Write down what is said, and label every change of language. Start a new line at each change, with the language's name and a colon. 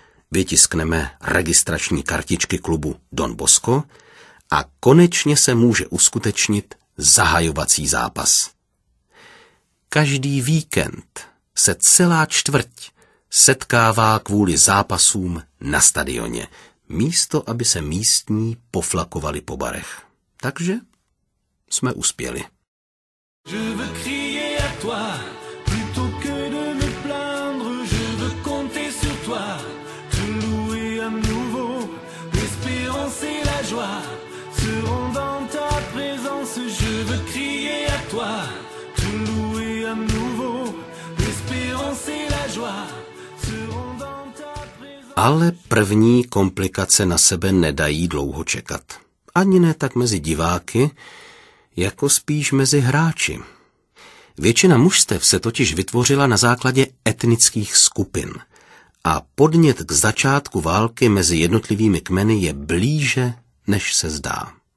Czech: Vytiskneme registrační kartičky klubu Don Bosco a konečně se může uskutečnit zahajovací zápas. Každý víkend se celá čtvrť setkává kvůli zápasům na stadioně, místo aby se místní poflakovali po barech. Takže jsme uspěli.
French: Je veux crier à toi plutôt que de me plaindre. Je veux compter sur toi, te louer à nouveau. L'espérance et la joie seront dans ta présence. Je veux crier à toi, te louer à nouveau. L'espérance et la joie seront dans ta présence.
Czech: Ale první komplikace na sebe nedají dlouho čekat. Ani ne tak mezi diváky, jako spíš mezi hráči. Většina mužstev se totiž vytvořila na základě etnických skupin a podnět k začátku války mezi jednotlivými kmeny je blíže, než se zdá.